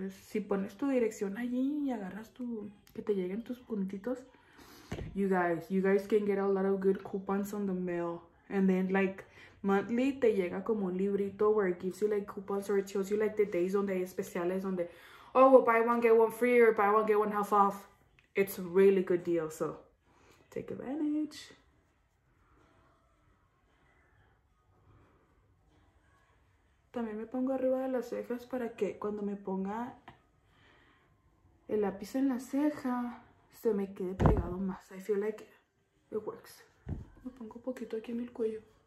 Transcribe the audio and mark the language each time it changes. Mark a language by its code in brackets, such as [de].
[es] Si pones tu dirección allí y agarras tu... que te lleguen tus puntitos... [en] You guys can get a lot of good coupons on the mail. And then, like, monthly, [es] te llega como un librito [en] where it gives you, like, coupons or it shows you, like, the days [es] donde hay especiales donde, [en] oh, well, buy one, get one free or buy one, get one half off. It's a really good deal, so take advantage. [es] También me pongo arriba de las cejas para que cuando me ponga el lápiz en la ceja se me quede pegado más. [en] I feel like it works. [es] Me pongo un poquito aquí en el cuello.